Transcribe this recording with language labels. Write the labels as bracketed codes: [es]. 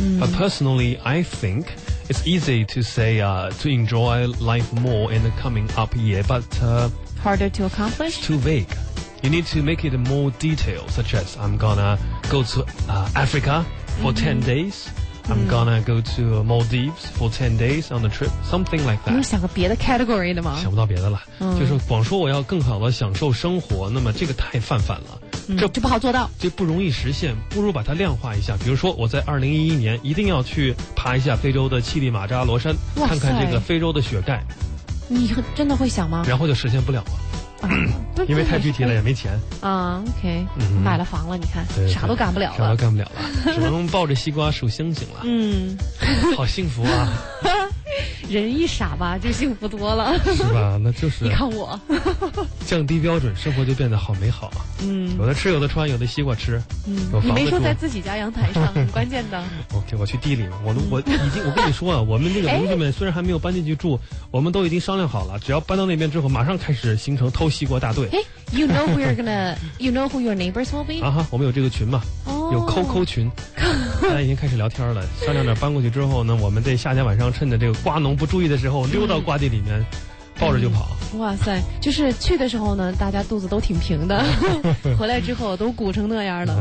[en] But personally, I think it's easy to say to enjoy life more in the coming up year, but harder to accomplish? It's too vague. You need to make it more detailed, such as I'm gonna go to Africa for 10 days. I'm gonna go to Maldives for 10 days on a trip, something like that. [zh] 你有想个别的 category 的吗？想不到别的了。就是光说我要更好的享受生活，那么这个太泛泛了。这就不好做到。这不容易实现，不如把它量化一下。比如说我在2011年一定要去爬一下非洲的乞力马扎罗山，看看这个非洲的雪盖。你真的会想吗？然后就实现不了了。因为太具体了也没钱啊。 OK， 买了房了，你看啥都干不了了，啥都干不了了，只能抱着西瓜数星星了。嗯，好幸福啊！人一傻吧，就幸福多了，是吧？那就是你看我，降低标准，生活就变得好美好。嗯，有的吃，有的穿，有的西瓜吃。嗯，你没说在自己家阳台上，很关键的。 OK， 我去地里，我已经，我跟你说啊，我们这个同志们虽然还没有搬进去住，我们都已经商量好了，只要搬到那边之后，马上开始形成偷西瓜大队。 [en] 哎 ，You know we're gonna， you know who your neighbors will be？ [zh] 啊哈，我们有这个群嘛？有抠抠群，大家已经开始聊天了，商量着搬过去之后呢，我们在夏天晚上趁着这个瓜农不注意的时候溜到瓜地里面抱着就跑。哇塞，就是去的时候呢大家肚子都挺平的，回来之后都鼓成那样了。